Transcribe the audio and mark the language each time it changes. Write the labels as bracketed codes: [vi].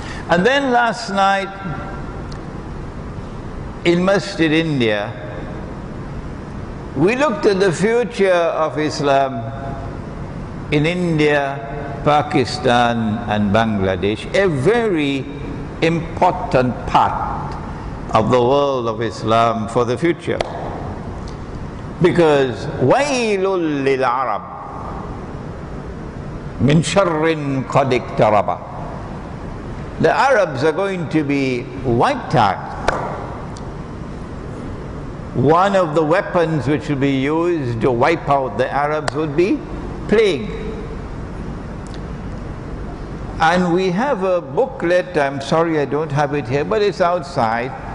[en] And then last night in Masjid India, we looked at the future of Islam in India, Pakistan, and Bangladesh, a very important part of the world of Islam for the future. Because [ar] وَيْلٌ لِلْعَرَبِ مِنْ شَرٍ قَدْ اِقْتَرَبَ. [en] The Arabs are going to be wiped out. One of the weapons which will be used to wipe out the Arabs would be plague. And we have a booklet, I'm sorry I don't have it here, but it's outside.